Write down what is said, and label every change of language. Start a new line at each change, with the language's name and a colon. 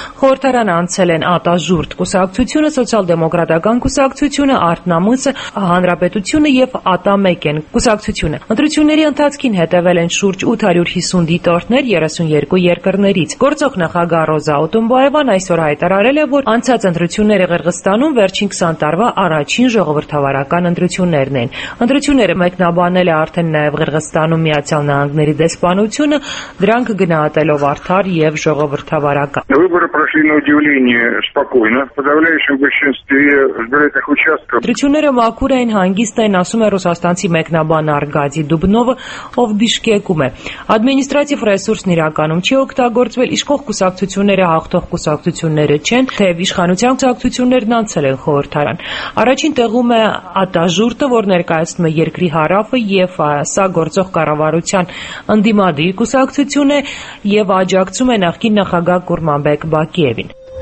Armenian: Խորհրդարան անցել են Ատաժուրտ կուսակցությունը, Սոցիալ-դեմոկրատական կուսակցությունը, Արտնամուսը, Հանրապետությունը եւ Ատամեկեն կուսակցությունը։ Ընտրությունների ընթացքին հետևել են շուրջ 850 դիտորդներ 32 երկրներից։ Գործող նախագահ Ռոզա Օտունբայևան այսօր հայտարարել է, որ անցած ընտրությունները Ղրղստանում վերջին 20 տարվա առաջին ժողովրդավարական ընտրություններն են։ Ընտրությունները մեկնաբանել է արդեն նաեւ Ղրղստանում Միացյալ Նահանգների դեսպանությունը, դրանք գնահատելով արդար եւ ժողովրդավարական։
Russian: на удивление спокойно. В подавляющем большинстве избирательных участков.
Armenian: Դրությունները մաքուր էին հանգիստ են, ասում է Ռուսաստանցի մեկնաբան Արգադի Դուբնովը, ով Բիշկեկում է։ Ադմինիստրատիվ ռեսուրսն իրականում չի օգտագործվել, իսկ ող կուսակցությունները հաղթող կուսակցությունները չեն, թեև իշխանության կուսակցություններն անցել են խորհրդարան։ Առաջին տեղում է ատաժուրտը, որ ներկայացնում է երկրի հարավը և սա գործող կառավարության ընդդիմադիր կուսակցությունը և աջակցում է նախկին նախագահ Կուրմանբեկ Բակիևին։